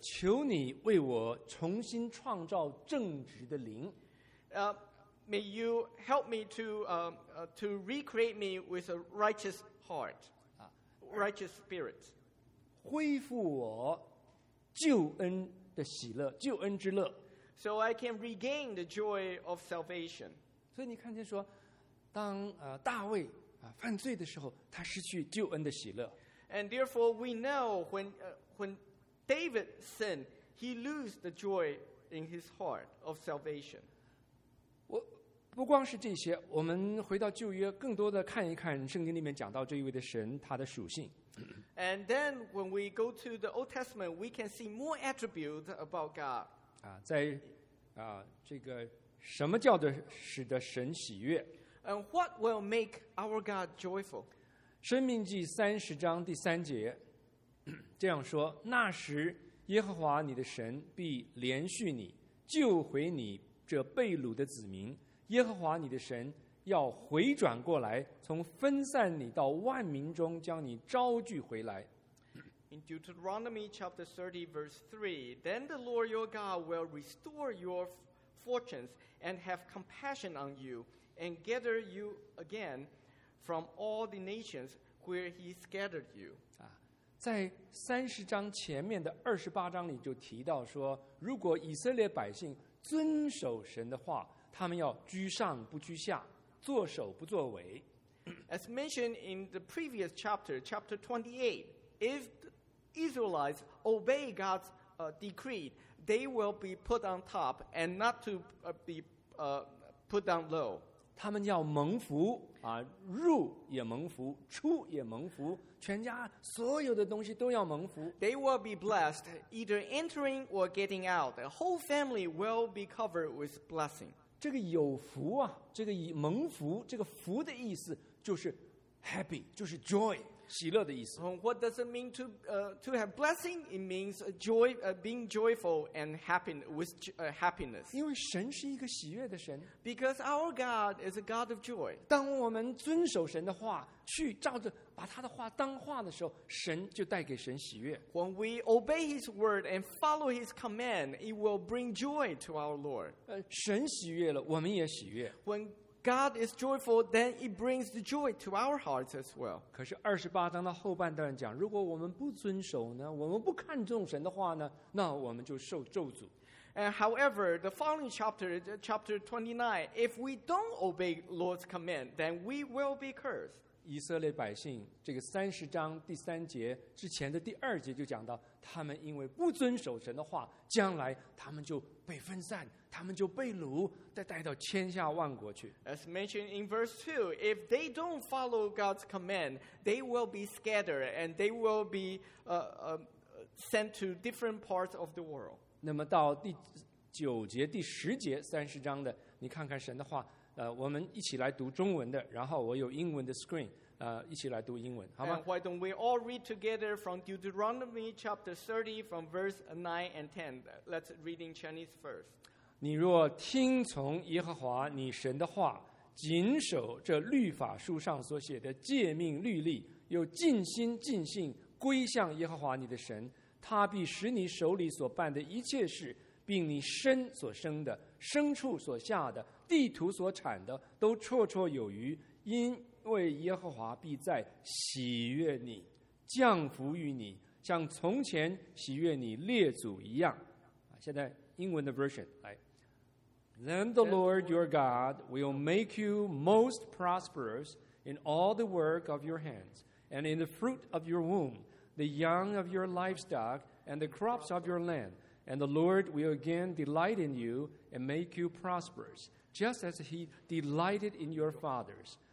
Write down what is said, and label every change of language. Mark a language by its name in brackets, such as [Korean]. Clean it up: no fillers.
[Chinese] 求你为我重新创造正直的灵。 [English] May you help me to recreate me with a righteous heart, righteous spirit. [Chinese] 恢复我救恩的喜乐，救恩之乐。 [English] So I can regain the joy of salvation. [Chinese] 所以你看见说，当大卫犯罪的时候，他失去救恩的喜乐。 [English] And therefore, we know when David sinned, he lost the joy in his heart of salvation. [Chinese] 不光是这些，我们回到旧约，更多的看一看圣经里面讲到这一位的神，他的属性。 [English] And then when we go to the Old Testament, we can see more attributes about God. [Chinese] 这个什么叫做使得神喜悦？ [English] And what will make our God joyful? [Chinese] 申命记三十章第三节这样说，那时耶和华你的神必连续你，救回你这被掳的子民，耶和华你的神要回转过来，从分散你到万民中将你招聚回来。 [English] In Deuteronomy chapter 30 verse 3, then the Lord your God will restore your fortunes and have compassion on you and gather you againfrom all the nations where he scattered you. [Chinese] 在三十章前面的二十八章里就提到说，如果以色列百姓遵守神的话，他们要居上不居下，作首不作尾。 [English] As mentioned in the previous chapter, chapter 28, if the Israelites obey God's decree, they will be put on top and not to be put down low. [Chinese] 他们要蒙福入也蒙福，出也蒙福，全家所有的东西都要蒙福。 [English] They will be blessed, either entering or getting out. The whole family will be covered with blessing. [Chinese] 这个有福这个蒙福，这个福的意思就是 happy, 就是 joy, 喜乐的意思。 [English] What does it mean to have blessing? It means joy, being joyful and happy with happiness. [Chinese] 因为神是一个喜悦的神。 [English] Because our God is a God of joy. [Chinese] 当我们遵守神的话，去照着把他的话当话的时候，神就带给神喜悦。 [English] When we obey His word and follow His command, it will bring joy to our Lord. [Chinese] 神喜悦了，我们也喜悦。 [English] When God is joyful, then it brings the joy to our hearts as well. [Chinese] 可是二十八章的后半段讲，如果我们不遵守呢，我们不看重神的话呢，那我们就受咒诅。 [English] And however, the following chapter, chapter 29, if we don't obey Lord's command, then we will be cursed. [Chinese] 以色列百姓这个三十章第三节之前的第二节就讲到，他们因为不遵守神的话，将来他们就被分散。他们就被掳，再带到千下万国去。 [English] As mentioned in verse 2, if they don't follow God's command, they will be scattered and they will be sent to different parts of the world. [Chinese] 那么到第九节、第十节、三十章的，你看看神的话，我们一起来读中文的，然后我有英文的 screen。一起来读英文，好吗？ [English] And why don't we all read together from Deuteronomy chapter 30 from verse 9 and 10? Let's read in Chinese first. [Chinese] 你若听从耶和华你神的话，谨守这律法书上所写的诫命律例，又尽心尽性归向耶和华你的神，他必使你手里所办的一切事，并你身所生的、牲畜所下的、地土所产的，都绰绰有余，因为耶和华必在喜悦你，降福于你，像从前喜悦你列祖一样。现在英文的 version 来。 [English] Then the Lord your God will make you most prosperous in all the work of your hands, and in the fruit of your womb, the young of your livestock, and the crops of your land. And the Lord will again delight in you and make you prosperous, just as he delighted in your fathers.